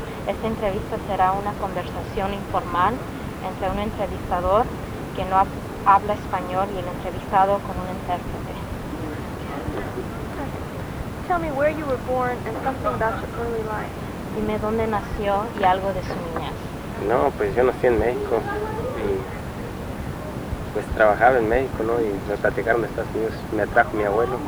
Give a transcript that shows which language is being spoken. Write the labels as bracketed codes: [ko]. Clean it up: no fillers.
[es] Esta entrevista será una conversación informal entre un entrevistador que no habla español y el entrevistado con un intérprete. [en] Tell me where you were born and something about your early life. [es] Dime dónde nació y algo de su niñez. No, pues yo nací en México y pues trabajaba en México, ¿no? Y me platicaron de Estados Unidos, me trajo mi abuelo.